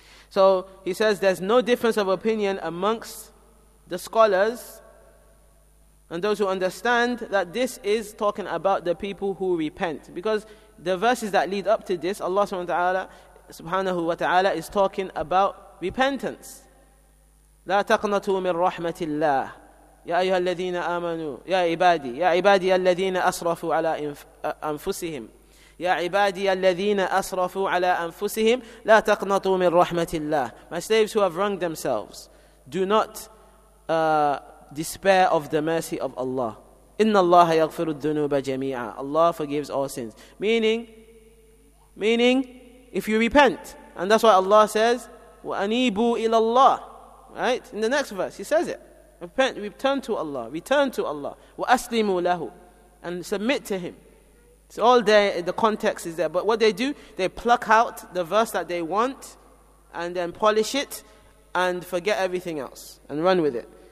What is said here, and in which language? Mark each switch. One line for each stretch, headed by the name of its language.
English: So he says there's no difference of opinion amongst the scholars and those who understand that this is talking about the people who repent. Because the verses that lead up to this, Allah subhanahu wa ta'ala is talking about repentance.
Arabic: لا تقنطوا من رحمة الله يا أيها الذين آمنوا يا عبادي الذين أسرفوا على أنفسهم يا عبادي الذين أسرفوا على أنفسهم لا تقنطوا من رحمة الله.
English: My slaves who have wronged themselves, do not despair of the mercy of Allah.
Arabic: إن الله يغفر الذنوب جميعا.
English: Allah forgives all sins. Meaning, if you repent, and that's why Allah says
Arabic: وأنيبوا إلى الله.
English: Right? In the next verse, he says it. Repent, return to Allah.
Arabic: وَأَسْلِمُوا لَهُ.
English: And submit to him. It's all there, the context is there. But what they do, they pluck out the verse that they want and then polish it and forget everything else and run with it.